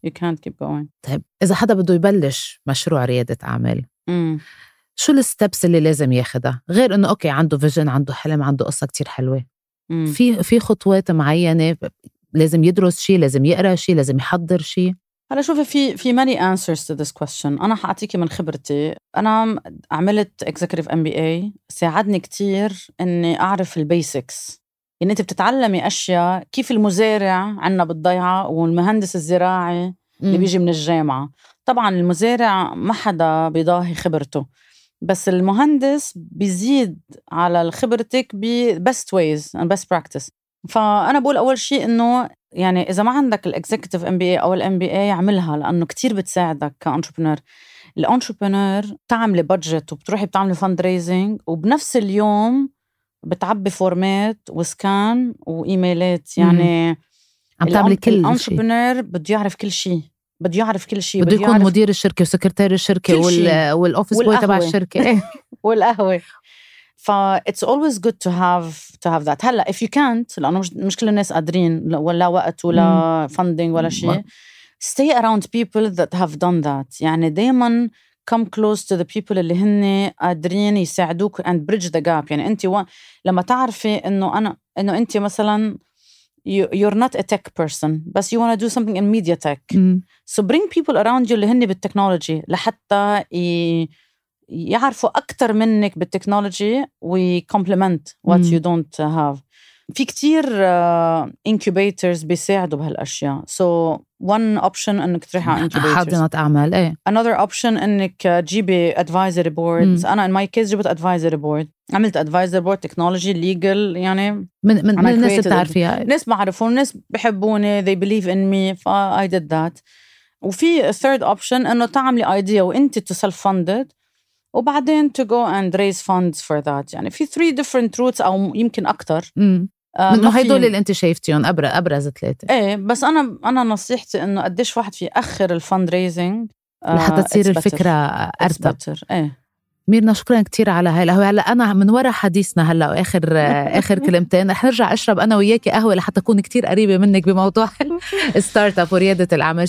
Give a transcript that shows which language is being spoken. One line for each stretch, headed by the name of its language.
English: you can't keep going.
Arabic: طيب إذا حدا بده يبلش مشروع ريادة أعمال. شو الستبس اللي لازم ياخدها غير إنه أوكي عنده vision عنده حلم عنده قصة كتير حلوة. في خطوات معينة لازم يدرس شيء لازم يقرأ شيء لازم يحضر شيء. هلا شوفي في
English: many answers to this question.
Arabic: أنا حعطيكي من خبرتي. أنا عملت executive MBA ساعدني كتير إني أعرف البيسكس. يعني أنت بتتعلمي أشياء كيف المزارع عنا بالضيعة والمهندس الزراعي اللي بيجي من الجامعة. طبعا المزارع ما حدا بيضاهي خبرته، بس المهندس بيزيد على خبرتك ب
English: best ways and best practice.
Arabic: فأنا بقول أول شيء إنه يعني إذا ما عندك ال executive MBA أو ال MBA عملها، لأنه كتير بتساعدك ك entrepreneur. ال entrepreneur تعمل budget وبتروحي بتعمل fundraising وبنفس اليوم بتعبي فورمات وسكان وإيميلات. يعني عم تعملي كل شيء. ال entrepreneur بده يعرف كل شيء. بده يعرف كل شيء. بده يكون مدير الشركة وسكرتير الشركة والأوفيس بوي تبع الشركة والقهوة.
English: فا it's always good to have that.
Arabic: هلا
English: if you can't،
Arabic: لأنه مش كل الناس قادرين ولا وقت ولا funding ولا شيء.
English: stay around people that have done that.
Arabic: يعني دائما
English: come close to the people
Arabic: اللي هن قادرين يساعدوك
English: and bridge the gap.
Arabic: يعني أنت لما تعرفي إنه أنت مثلاً
English: you're not a tech person but you want to do something in media tech. So bring people around you
Arabic: اللي هني بالتكنولوجي لحتى يعرفوا أكتر منك بالتكنولوجي
English: وcomplement what you don't have.
Arabic: في كتير incubators بيساعدوا بهالأشياء.
English: So one option
Arabic: أنك تروح على
English: incubators.
Arabic: حاضنة أعمال. إيه.
English: Another option
Arabic: أنك تجيبي
English: advisory boards. أنا in my case
Arabic: جبت
English: advisory board.
Arabic: عملت advisory board technology legal يعني. من الناس بتعرفيها. ناس بعرفون ناس بحبوني
English: they believe in me. ف I did that. وفي third option
Arabic: أنه تعملي
English: idea وأنت to self funded.
Arabic: وبعدين
English: to go and raise funds for that.
Arabic: يعني في
English: three different routes
Arabic: أو يمكن أكتر. من هيدول اللي أنت شايفتيهم أبرز ثلاثة. إيه بس أنا نصيحتي إنه قديش واحد في آخر الفند ريزنج لحتى تصير الفكرة أرتب. إيه. ميرنا شكرا كتير على هاي القهوة. هلا أنا من وراء حديثنا هلا وآخر آخر كلمتين رح نرجع أشرب أنا وياك قهوة لحتى أكون كتير قريبة منك بموضوع الستارت أب وريادة الأعمال.